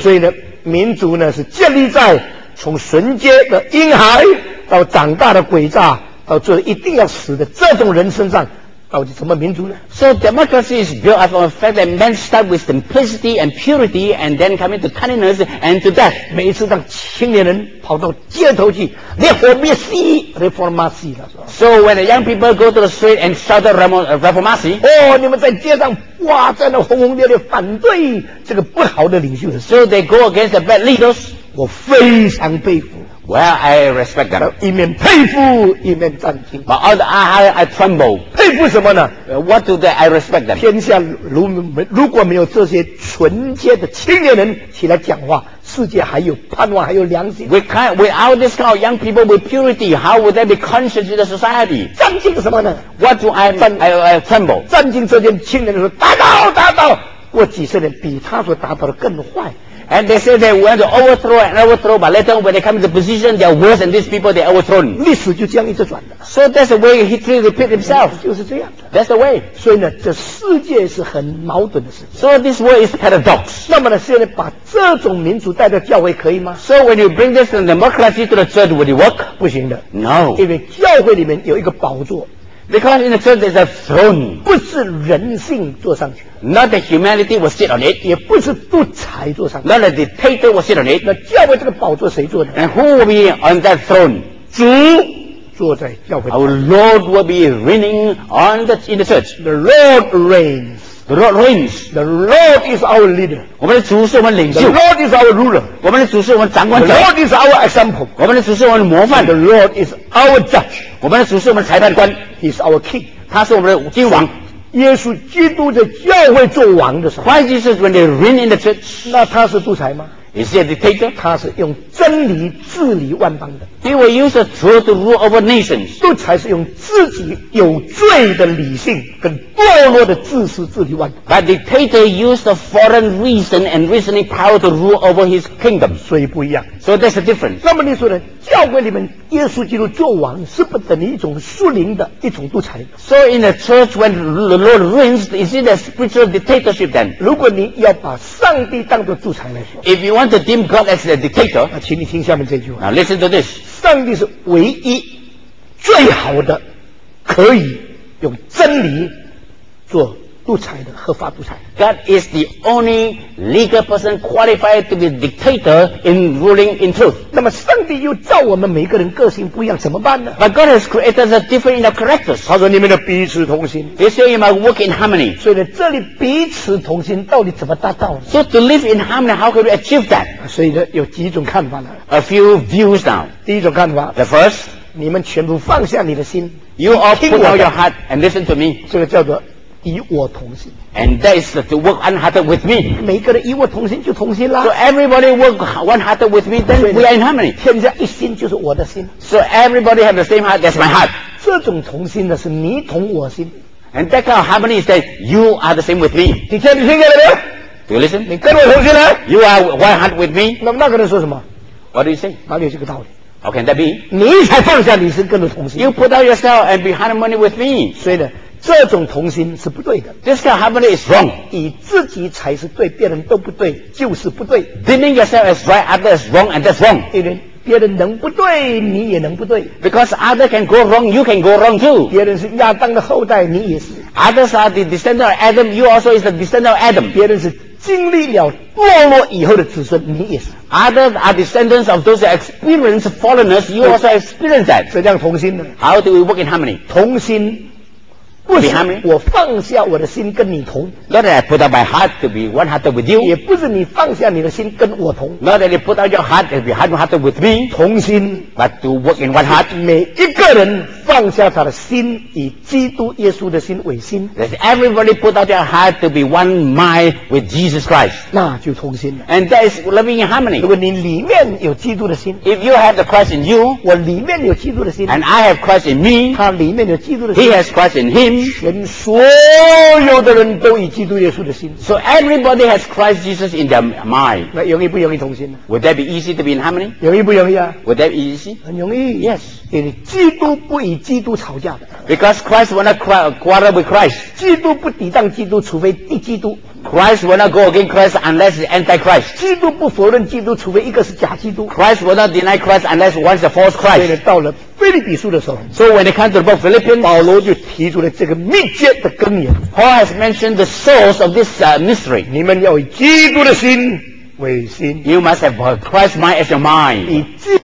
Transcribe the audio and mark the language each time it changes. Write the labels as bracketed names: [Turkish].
[Chinese] 所以呢民族呢是建立在从纯洁的婴孩到长大的诡诈到最后一定要死的这种人身上到底什么民族呢？ [English] So democracy is built upon the fact that men start with simplicity and purity and then come into cunningness and to death. [Chinese] 每一次当青年人跑到街头去 Reformasi Reformasi [English] So when the young people go to the street and shout the Reformasi [Chinese] 哦、oh, 你们在街上哇在那轰轰烈烈反对这个不好的领袖的 [English] So they go against the bad leaders [Chinese] 我非常佩服。 [English] Well, I respect that. [Chinese] 一面佩服，一面战惊。 [English] But on the other hand, I tremble. [Chinese] 佩服什么呢？ [English] What do that I respect that? [Chinese] 天下如果没有这些纯洁的青年人起来讲话，世界还有盼望，还有良心。 [English] Without this kind of young people with purity, how would there be conscience in the society? [Chinese] 战惊什么呢？ [English] What do I tremble? [Chinese] 战惊这些青年人说，打倒，打倒。过几十年，比他所打倒的更坏。 [English] And they say they want to overthrow and overthrow, but later when they come into position, they are worse than these people they overthrown. [Chinese] 历史就这样一直转的。 [English] So that's the way history repeats itself. [Chinese] 就是这样的。 [English] That's the way. [Chinese] 所以呢，这世界是很矛盾的事情。 [English] So this world is paradox. [Chinese] 那么呢，现在把这种民主带到教会可以吗？ [English] So when you bring this democracy to the church, would it work? [Chinese] 不行的。 [English] No. [Chinese] 因为教会里面有一个宝座。 [English] Because in the church there's a throne. [Chinese] 不是人性坐上去。 [English] Not the humanity will sit on it. [Chinese] 也不是独裁坐上去。 [English] Not the dictator will sit on it. [Chinese] 那教会这个宝座谁坐的？ [English] And who will be on that throne? [Chinese] 主坐在教会。 [English] Our Lord will be reigning on the, in the church. The Lord reigns. The Lord reigns. The Lord is our leader. [Chinese] 我们的主是我们领袖。 [English] The Lord is our ruler. [Chinese] 我们的主是我们掌管者。 [English] The Lord is our example. [Chinese] 我们的主是我们模范。 [English] The Lord is our judge. [Chinese] 我们的主是我们裁判官。 [English] He is our king. [Chinese] 他是我们的君王。耶稣基督的教会做王的时候。 [English] Why Jesus when they reign in the church? [Chinese] 那他是独裁吗？ [English] Is he a dictator? [Chinese] 他是用真理治理万邦的。 [English] He will use the truth to rule over nations. [Chinese] 独裁是用自己有罪的理性跟堕落的知识治理万邦。 [English] But dictator used the foreign reason and reasoning power to rule over his kingdom. [Chinese] 所以不一样。 [English] So that's the difference. [Chinese] 那么你说呢？教会里面耶稣基督做王是不等于一种属灵的一种独裁。 [English] So in the church when the Lord reigns, is it a spiritual dictatorship then? [Chinese] 如果你要把上帝当作独裁来说。 [English] If you want to deem God as a dictator, [Chinese] 那请你听下面这句话。 [English] Now listen to this. [Chinese] 上帝是唯一最好的可以用真理做独裁的合法独裁。 [English] God is the only legal person qualified to be dictator in ruling in truth. [Chinese] 那么上帝又造我们每个人个性不一样，怎么办呢？ [English] But God has created us different in our characters. [Chinese] 他说你们的彼此同心。 [English] They say you must work in harmony. [Chinese] 所以呢，这里彼此同心到底怎么达到呢？ [English] So to live in harmony, how can we achieve that? [Chinese] 所以呢，有几种看法呢？ [English] A few views now. [Chinese] 第一种看法。 [English] The first. [Chinese] 你们全部放下你的心。 [English] You all put out your heart and listen to me. [Chinese] 这个叫做。以我同心 [English] and that is to work unhearted with me [Chinese] 每个人以我同心就同心啦 [English] so everybody work unhearted with me then we are in harmony [Chinese] 天下一心就是我的心 [English] so everybody have the same heart that's my heart [Chinese] 这种同心的是你同我心 [English] and that kind of harmony is that you are the same with me [Chinese] 听见你听见了没有 [English] do you listen [Chinese] 你跟我同心了 [English] you are one heart with me [Chinese] 那个人说什么 [English] what do you say [Chinese] 哪里有这个道理 [English] How can that be? [Chinese] 你才放下你是跟着同心。 [English] You put out yourself and be harmony with me. [Chinese] 所以呢，这种同心是不对的。 [English] This kind of harmony is wrong. [Chinese] 以自己才是对，别人都不对，就是不对。 [English] Deeming yourself as right, others as wrong, and that's wrong. [Chinese] 对不对？别人能不对，你也能不对。 [English] Because others can go wrong, you can go wrong too. [Chinese] 别人是亚当的后代，你也是。 [English] Others are the descendant of Adam, you also is the descendant of Adam. [Chinese] 别人是经历了堕落以后的子孙，你也是。 [English] Others are descendants of those who experience fallenness, you also experience that. [Chinese] 所以这样同心呢 [English] ？How do we work in harmony? [Chinese] 同心。不是我放下我的心跟你同 [English] Not that I put up my heart to be one hearted with you [Chinese] 也不是你放下你的心跟我同 [English] Not that you put up your heart to be one hearted with me [Chinese] 同心 [English] But to work in one heart [Chinese] 每一个人放下他的心以基督耶稣的心为心 [English] That everybody put up their heart to be one mind with Jesus Christ [Chinese] 那就同心了 [English] And that is living in harmony [Chinese] 如果你里面有基督的心 [English] If you have the Christ in you [Chinese] 我里面有基督的心 [English] And I have Christ in me [Chinese] 他里面有基督的心 [English] He has Christ in him [Chinese] 全所有的人都以基督耶稣的心 [English] So everybody has Christ Jesus in their mind [Chinese] 那容易不容易同心呢 [English] Would that be easy to be in harmony? [Chinese] 容易不容易啊 [English] Would that be easy? [Chinese] 很容易 [English] Yes [Chinese] 因为基督不以基督吵架的 [English] Because Christ will not quarrel with Christ [Chinese] 基督不抵挡基督除非敌基督 [English] Christ will not go against Christ unless it's anti-Christ [Chinese] 基督不否认基督除非一个是假基督 [English] Christ will not deny Christ unless one is a false Christ [Chinese] 所以到了菲律比书的时候 [English] So when it comes to the book of Philippians [Chinese] 保罗就提出了这个秘诀的根源 [English] Paul has mentioned the source of this mystery [Chinese] 你们要以基督的心为心 [English] You must have Christ's mind as your mind